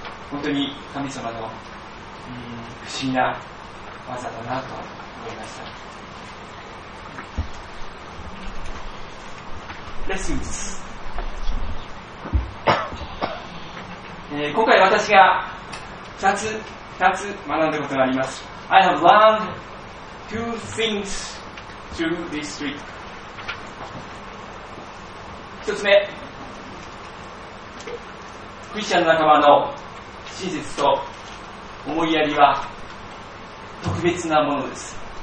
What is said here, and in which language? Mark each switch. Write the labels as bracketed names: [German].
[Japanese] 本当に神様の不思議な技だなと思いました。レッスン2。今回私が2つ学んだことがあります。 [English] I have learned two things through this trip. [Japanese] 一つ目、クリスチャンの仲間の親切と思いやりは特別なものです。